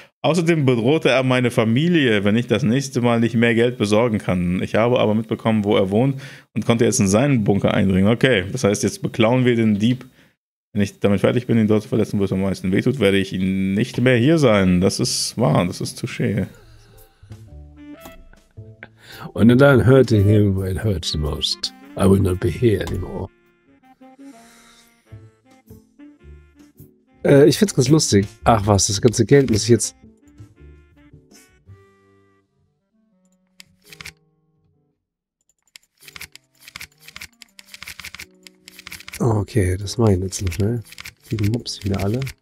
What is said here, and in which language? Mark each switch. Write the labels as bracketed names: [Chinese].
[German] Außerdem bedrohte er meine Familie, wenn ich das nächste Mal nicht mehr Geld besorgen kann. Ich habe aber mitbekommen, wo er wohnt und konnte jetzt in seinen Bunker eindringen. Okay, das heißt, jetzt beklauen wir den Dieb. Wenn ich damit fertig bin, ihn dort zu verletzen, wo es am meisten wehtut, werde ich nicht mehr hier sein. Das ist wahr, das ist touché. [English] When I'm done hurting him, when it hurts the most, I will not be here anymore. [German] Ich find's ganz lustig. Ach was, das ganze Geld muss ich jetzt... Okay, das mach ich jetzt noch schnell. Die Mops wieder alle.